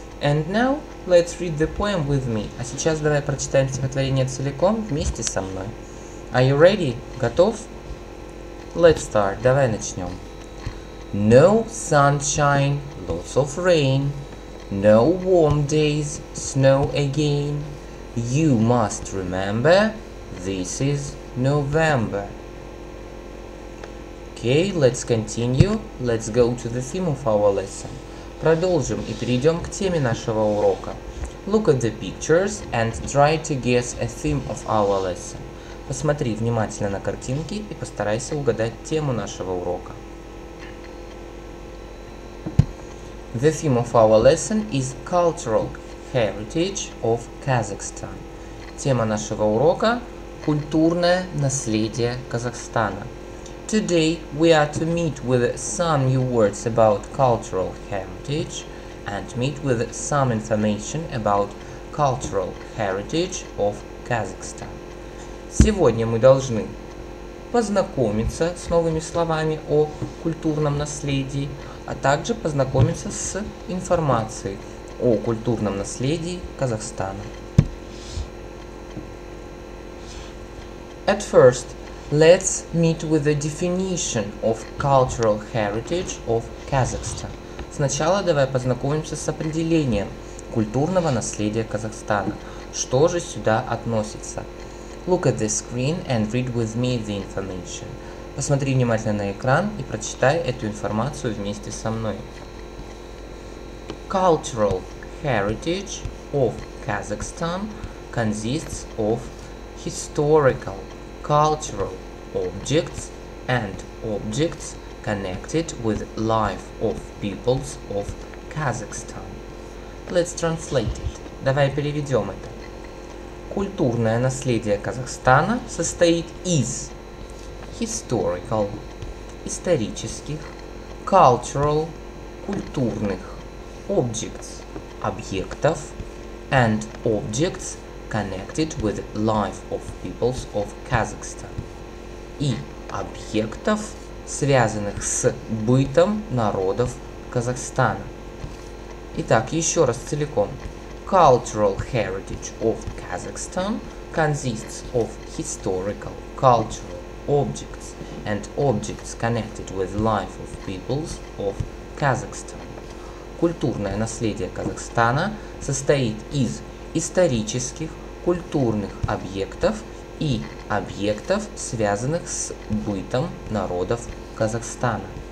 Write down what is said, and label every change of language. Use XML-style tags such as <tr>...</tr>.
<en>And now, let's read the poem with me.</en> <ru>А сейчас давай прочитаем стихотворение целиком вместе со мной.</ru> <en>Are you ready?</en> <ru>Готов?</ru> <en>Let's start,</en> <ru>давай начнем.</ru> <en>No sunshine, lots of rain. No warm days, snow again. You must remember, this is November. Okay, let's continue. Let's go to the theme of our lesson.</en> <ru>Продолжим и перейдем к теме нашего урока.</ru> <en>Look at the pictures and try to guess a theme of our lesson.</en> <ru>Посмотри внимательно на картинки и постарайся угадать тему нашего урока.</ru> <en>The theme of our lesson is cultural heritage of Kazakhstan.</en> <ru>Тема нашего урока – культурное наследие Казахстана.</ru> <en>Today we are to meet with some new words about cultural heritage and meet with some information about cultural heritage of Kazakhstan.</en> <ru>Сегодня мы должны познакомиться с новыми словами о культурном наследии, а также познакомиться с информацией о культурном наследии Казахстана.</ru> <en>At first, let's meet with the definition of cultural heritage of Kazakhstan.</en> <ru>Сначала давай познакомимся с определением культурного наследия Казахстана. Что же сюда относится?</ru> <en>Look at the screen and read with me the information.</en> <ru>Посмотри внимательно на экран и прочитай эту информацию вместе со мной.</ru> <en>Cultural heritage of Kazakhstan consists of historical, cultural objects and objects connected with life of peoples of Kazakhstan. Let's translate it.</en> <ru>Давай переведем это. Культурное наследие Казахстана состоит из</ru> <en>historical,</en> <ru>исторических,</ru> <en>cultural,</en> <ru>культурных,</ru> <en>objects,</en> <ru>объектов,</ru> <en>and objects connected with life of peoples of Kazakhstan.</en> <ru>И объектов, связанных с бытом народов Казахстана. Итак, еще раз целиком.</ru> <en>Cultural heritage of Kazakhstan consists of historical, cultural objects and objects connected with life of peoples of Kazakhstan.</en> <ru>Культурное наследие Казахстана состоит из исторических, культурных объектов и объектов, связанных с бытом народов Казахстана.</ru>